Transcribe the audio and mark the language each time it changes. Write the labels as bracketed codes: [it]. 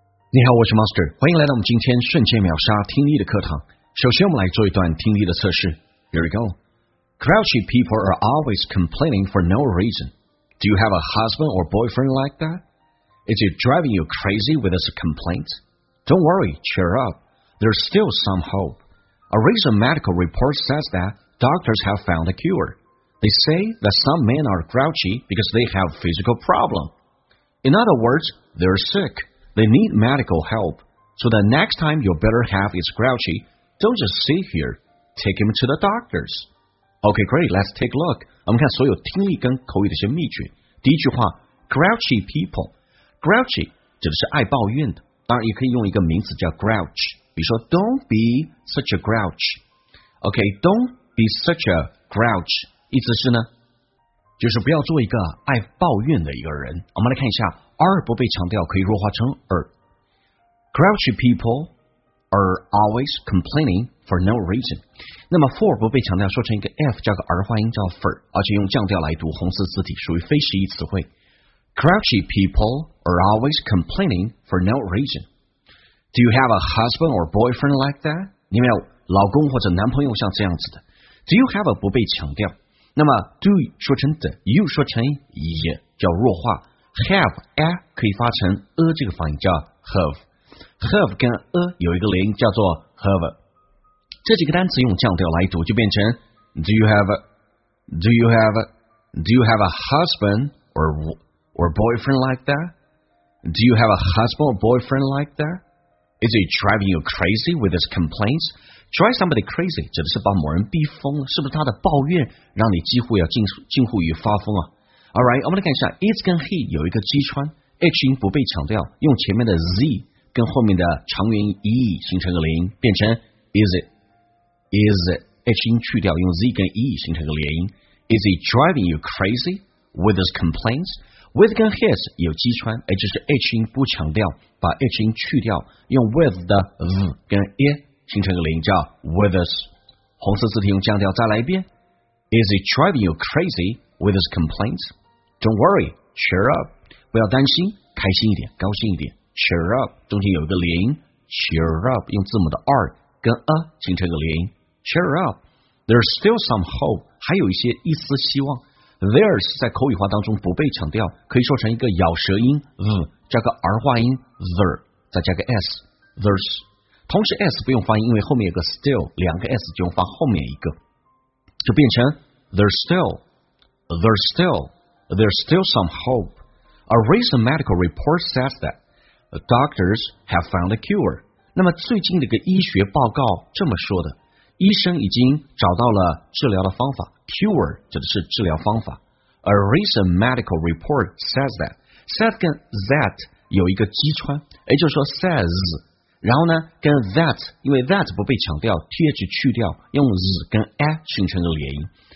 [zh] 你好，我是 Master， 欢迎来到我们今天瞬间秒杀听力的课堂。首先我们来做一段听力的测试。 [en] Here we go. Grouchy people are always complaining for no reason. Do you have a husband or boyfriend like that? Is it driving you crazy with this complaint? Don't worry, cheer up. There's still some hope. A recent medical report says that doctors have found a cure. They say that some men are grouchy because they have physical problem. In other words, they're sickThey need medical help. So the next time your better half is grouchy, don't just sit here. Take him to the doctors. Okay, great. Let's take a look. [zh] 我们看所有听力跟口语的一些秘诀。第一句话 ,grouchy people. Grouchy 指的是爱抱怨的。当然也可以用一个名词叫 grouch. [en] 比如说 don't be such a grouch. [zh] Okay, don't be such a grouch. 意思是呢就是不要做一个爱抱怨的一个人。我们来看一下R 不被强调可以弱化成 R. [en] Grouchy people are always complaining for no reason. [zh] 那么 for 不被强调说成一个 F 加个 R 化音叫 for， 而且用降调来读，红色字体，属于非实义词汇。 [en] Grouchy people are always complaining for no reason. Do you have a husband or boyfriend like that? [zh] 你没有老公或者男朋友像这样子的。 Do you have a 不被强调，那么 do 说成 the， you 说成 ye 叫弱化。 Have a 可以发成 a 这个发音叫 have， have 跟 a 有一个连音叫做 have， 这几个单词用降调来读就变成 [en] do you have a, do you have a, do you have a husband or boyfriend like that? Do you have a husband or boyfriend like that? Is it driving you crazy with his complaints? Drive somebody crazy [zh] 指的是把某人逼疯了，是不是他的抱怨让你几乎要近乎于发疯啊？ Alright， 我们来看一下 is 跟 he 有一个击穿 ，h 音不被强调，用前面的 z 跟后面的长元 e 形成个连音，变成 is it h 音去掉，用 z 跟 e 形成个连音。 [en] Is he driving you crazy with his complaints？ [zh] With 跟 his 有击穿，也就是 h 音不强调，把 h 音去掉，用 with 的 z 跟 e 形成个连音，叫 with us。红色字体用降调再来一遍。 [en] Is he driving you crazy？ With his complaints, don't worry, cheer up. [zh] 不要担心，开心一点，高兴一点。Cheer up， 中间有一个连音 ，cheer up， 用字母的 r 跟 a 形成一个连音。 [en] Cheer up, there's still some hope， [zh] 还有一些一丝希望。 There's 在口语化当中不被强调，可以说成一个咬舌音 v 加个儿化音 there， 再加个 s there's， 同时 s 不用发音，因为后面有个 still， 两个 s 就用发后面一个，就变成 there's still。 [en] There's still some hope. A recent medical report says that doctors have found a cure. [zh] 那么最近的一个医学报告这么说的，医生已经找到了治疗的方法。 Cure 指的是治疗方法。 [en] A recent medical report says that. [zh] Says 跟 that 有一个击穿，也就是说 says， 然后呢跟 that， 因为 that 不被强调 ，th 去掉，用 z 跟 a 形成了连音。